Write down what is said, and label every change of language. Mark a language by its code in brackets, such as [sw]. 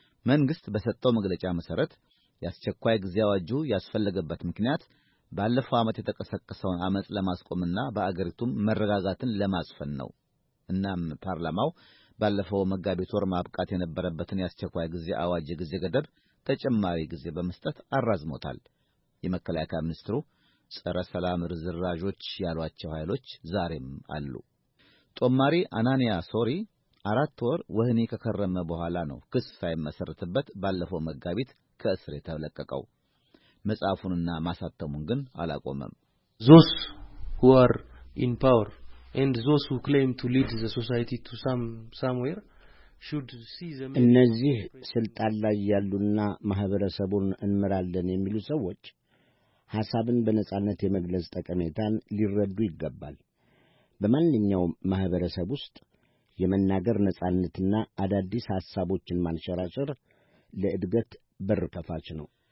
[am] መንግስት በሰጠው መግለጫ መሰረት ያስቸኳይ ጊዜ አዋጁ ያስፈልገበት ምክንያት ባለፈው አመት የተቀሰቀሰውን አመጽ ለማስቆምና በአገሪቱም መረጋጋትን ለማስፈን ነው። እናም ፓርላማው ባለፈው መጋቢት ወር ማብቃት የነበረበትን ያስቸኳይ ጊዜ አዋጅ ጊዜ ገደብ ተጨማሪ ጊዜ በመስጠት አራዝሞታል። የመከላከያ ሚኒስትሩ ጸረ ሰላም ርዝራዦች ያሏቸው ኃይሎች ዛሬም አሉ። ጦማሪ አናኒያ ሶሪ 4 ወር ወህኒ ከከረመ በኋላ ነው ክስ ሳይመሰረትበት ባለፈው መጋቢት ከእስር የተለቀቀው። መጻፉንና ማሳተሙን ግን አላቆመም። [en] ዞስ who are in power and those who claim to lead the society to somewhere should see them [am] እነዚህ ስልጣን ላይ ያሉና ማህበረሰቡን እንመራለን የሚሉ ሰዎች ሐሳብን በነጻነት የመግለጽ ጠቀሜታን ሊረዱ ይገባል። በማንኛውም ማህበረሰብ ውስጥ የመናገር ነጻነትና አዳዲስ ሐሳቦችን ማንሸራሸር ለእድገት በር ከፋች ነው።